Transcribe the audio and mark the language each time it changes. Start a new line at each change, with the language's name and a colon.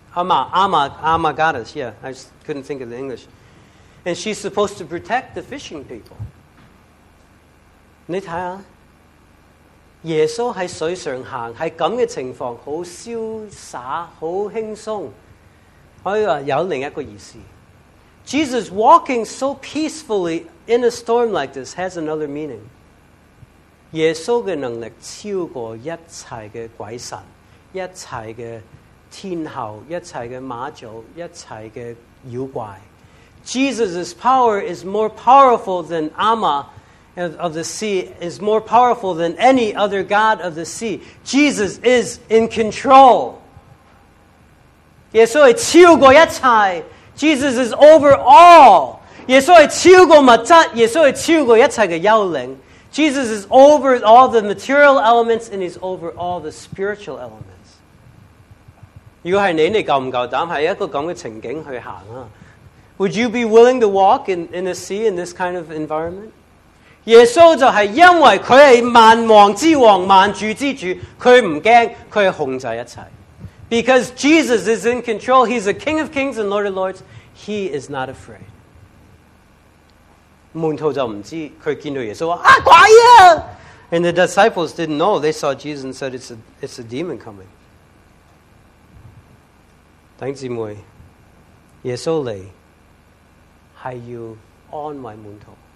English: Ama goddess, yeah, I just couldn't think of the English. And she's supposed to protect the fishing people.
Chinese: 你看啊，耶稣在水上行，在这样的情况很潇洒很轻松，可以说有另一个意思。
English: Jesus walking so peacefully in a storm like this has another meaning.
Chinese: 耶稣的能力超过一切的鬼神，一切的天后，一切的马祖，一切的妖怪。
English: Jesus' power is more powerful than Ama of the sea, is more powerful than any other god of the sea. Jesus is in control.
Chinese: 耶稣是超过一切，
English: Jesus is over all.
Chinese: 耶稣是超过物质， 耶稣是超过一切的幽灵，
English: Jesus is over all the material elements and is over all the spiritual elements.
Chinese: 如果是你，你够不够胆在一个这样的情景去行啊？
English: Would you be willing to walk in a sea in this kind of environment?
Chinese: 耶稣就是因为他是万王之王，万主之主，他不怕，他控制一切。
English: Because Jesus is in control, he's the King of Kings and Lord of Lords, he is not afraid.
Chinese: 门徒就不知道，他见到耶稣说，啊，鬼啊！
English: And the disciples didn't know, they saw Jesus and said, it's a demon coming.
Chinese: 弟兄姊妹，耶稣来，是要安慰门徒。